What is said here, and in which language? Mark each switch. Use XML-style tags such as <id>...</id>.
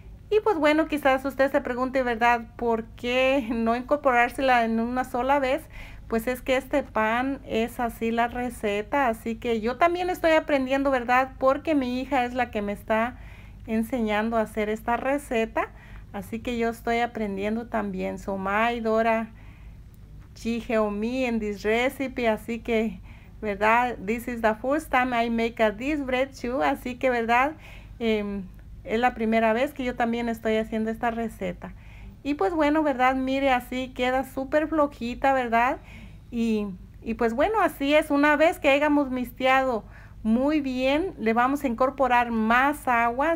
<es>Y pues bueno, quizás usted se pregunte, verdad, ¿por qué no incorporársela en una sola vez? Pues es que este pan es así la receta, así que yo también estoy aprendiendo, verdad, porque mi hija es la que me está enseñando a hacer esta receta. Así que yo estoy aprendiendo también.</es> <en>So my Dora, she helped me in this recipe.</en> <es>Así que, verdad,</es> <en>this is the first time I make this bread too.</en> <es>Así que, verdad, es la primera vez que yo también estoy haciendo esta receta. Y pues bueno, verdad, mire, así queda súper flojita, verdad. Y pues bueno, así es. Una vez que hayamos mixteado muy bien, le vamos a incorporar más agua.</es>